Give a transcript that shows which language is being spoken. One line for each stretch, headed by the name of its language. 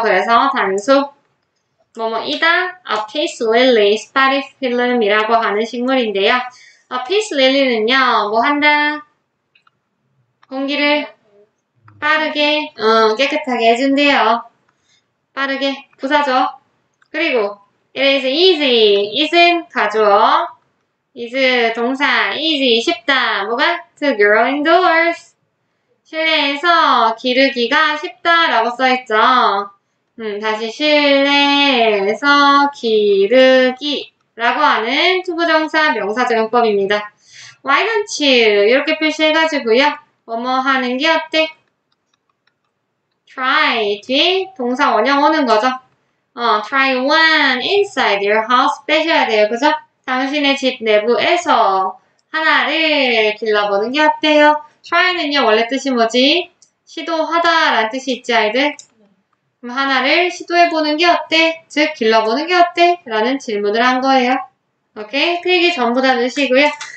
Korean: 그래서 단수. 뭐뭐이다. Apis lily, spathiphyllum이라고 하는 식물인데요. Apis lily는요, 뭐 한다? 공기를 빠르게, 깨끗하게 해준대요. 빠르게, 부사죠. 그리고
English: it is easy,
Korean: is은 가져와. is, 동사, easy, 쉽다. 뭐가?
English: to grow indoors.
Korean: 실내에서 기르기가 쉽다라고 써있죠. 다시 실내에서 기르기라고 하는 투부정사 명사적용법입니다.
English: why don't you?
Korean: 이렇게 표시해가지고요. 뭐뭐 하는 게 어때? try 뒤에 동사 원형 오는 거죠.
English: try one inside your house
Korean: 빼셔야 돼요. 그죠? 당신의 집 내부에서 하나를 길러보는 게 어때요? try는요, 원래 뜻이 뭐지? 시도하다라는 뜻이 있지, 아이들? 그럼 하나를 시도해보는 게 어때? 즉, 길러보는 게 어때? 라는 질문을 한 거예요. 오케이? 틀기 전부 다 넣으시고요.